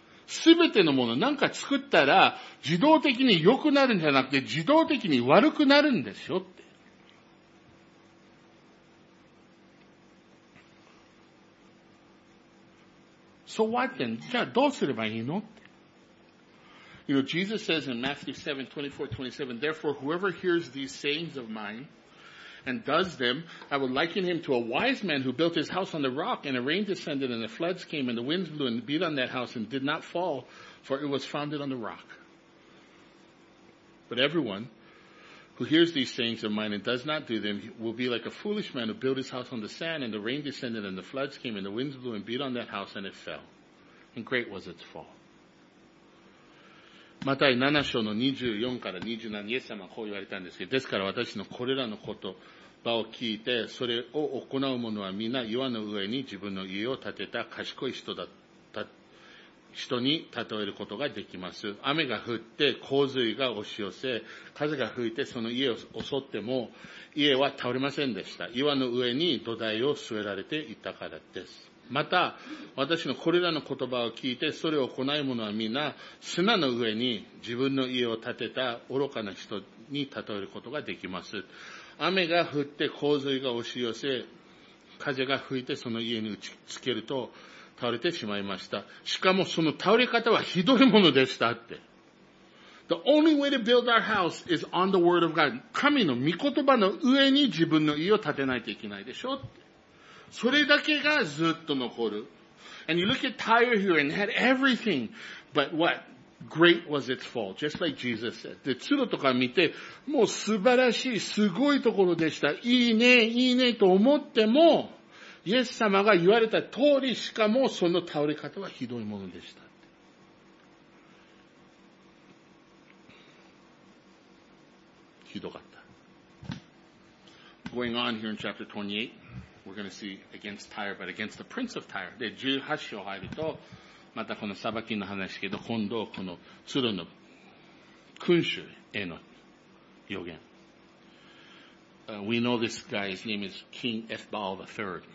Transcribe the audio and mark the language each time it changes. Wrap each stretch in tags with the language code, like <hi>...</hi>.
<ja>すべてのものなんか作ったら自動的に良くなるんじゃなくて自動的に悪くなるんですよって。</ja> <en>So what then?</en> <ja>じゃあどうすればいいのって。</ja> <en>You know, Jesus says in Matthew 7:24-27, Therefore whoever hears these sayings of mine and does them, I will liken him to a wise man who built his house on the rock, and a rain descended, and the floods came, and the winds blew, and beat on that house, and did not fall, for it was founded on the rock. But everyone who hears these sayings of mine and does not do them will be like a foolish man who built his house on the sand, and the rain descended and the floods came and the winds blew and beat on that house and it fell. And great was its fall.</en> <ja>また7章の24から27にイエス様はこう言われたんですけど、ですから私のこれらの言葉を聞いてそれを行う者は皆岩の上に自分の家を建てた賢い人に例えることができます。雨が降って洪水が押し寄せ、風が吹いてその家を襲っても家は倒れませんでした。岩の上に土台を据えられていたからです。また私のこれらの言葉を聞いてそれを行う者は皆砂の上に自分の家を建てた愚かな人に例えることができます。雨が降って洪水が押し寄せ、風が吹いてその家に打ちつけると倒れてしまいました。しかもその倒れ方はひどいものでしたって。</ja> <en>The only way to build our house is on the word of God.</en> <ja>神の御言葉の上に自分の家を建てないといけないでしょって。それだけがずっと残る。</ja> <en>And you look at Tyre here and had everything, but what? Great was its fall, just like Jesus said.</en> <ja>で、ツロとか見て、もう素晴らしい、すごいところでした。いいね、いいねと思っても、イエス様が言われた通り、しかもその倒れ方はひどいものでした。ひどかった。</ja> <en>Going on here in chapter 28. We're going to see against Tyre, but against the prince of Tyre.</en> <ja>で、18章入ると、またこの裁きの話けど、今度このツロの君主への予言。</ja> <en>We know this guy, his name is King Ethbaal III.</en>